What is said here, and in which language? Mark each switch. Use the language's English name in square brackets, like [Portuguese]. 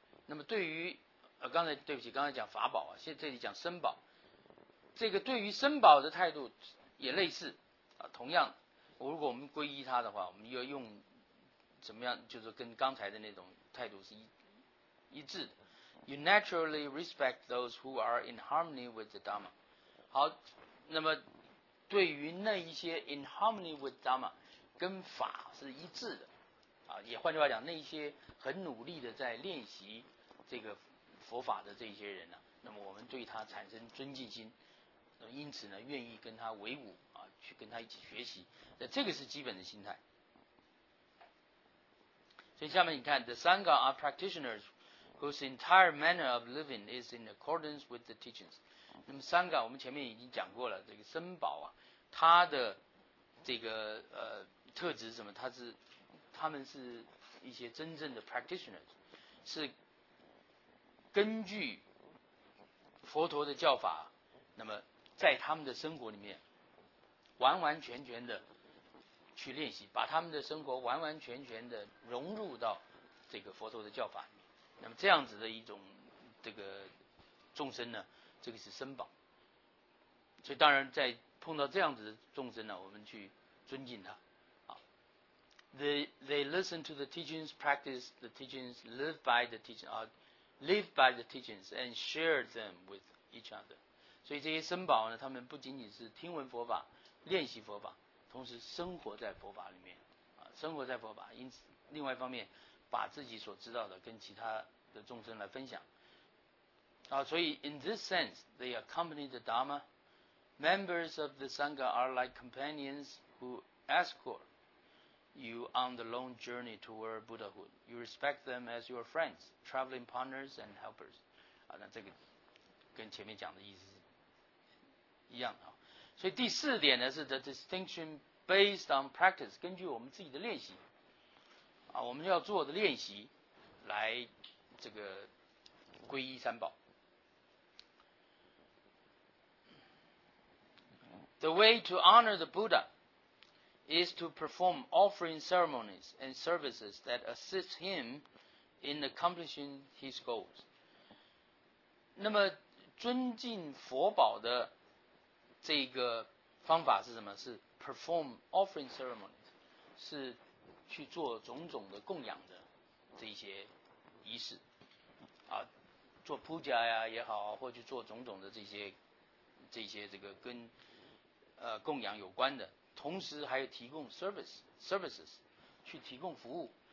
[Chinese] 那么对于刚才对不起，刚才讲法宝啊，现在这里讲僧宝，这个对于僧宝的态度也类似啊。同样，如果我们皈依他的话，我们要用怎么样？就是跟刚才的那种态度是一致的。 [English] You naturally respect those who are in harmony with the Dharma。 [Chinese] 好，那么对于那一些 [English] in harmony with Dharma。 [Chinese] 跟法是一致的啊，也换句话讲，那些很努力的在练习这个佛法的这些人呢、啊、那么我们对他产生尊敬心，因此呢愿意跟他为伍啊，去跟他一起学习，那这个是基本的心态。所以下面你看 [English] The Sangha are practitioners whose entire manner of living is in accordance with the teachings。 [Chinese] 那么 Sangha 我们前面已经讲过了，这个僧宝啊，他的这个特质是什么？他们是一些真正的 practitioners， 是根据佛陀的教法，那么在他们的生活里面完完全全的去练习，把他们的生活完完全全的融入到这个佛陀的教法里面。那么这样子的一种这个众生呢，这个是僧宝。所以当然在碰到这样子的众生呢，我们去尊敬他。 [English] They listen to the teachings, practice the teachings, live by the teachings, and share them with each other. [Chinese] 所以这些僧宝呢，他们不仅仅是听闻佛法、练习佛法，同时生活在佛法里面，啊，生活在佛法。因此，另外一方面，把自己所知道的跟其他的众生来分享。啊，所以 [English] in this sense, they accompany the Dharma. Members of the Sangha are like companions who escort. you on the long journey toward Buddhahood. You respect them as your friends, traveling partners and helpers. [Chinese] 啊，那这个跟前面讲的意思是一样的。所以第四点呢是 [English] the distinction based on practice, [Chinese] 根据我们自己的练习。啊，我们要做的练习来这个皈依三宝。 [English] The way to honor the Buddha is to perform offering ceremonies and services that assist him in accomplishing his goals. [Chinese] 那么尊敬佛宝的这个方法是什么？是 [English] perform offering ceremonies, [Chinese] 是去做种种的供养的这些仪式啊，做铺家呀也好，或去做种种的这些这个跟供养有关的，同时还有提供 services 去提供服务。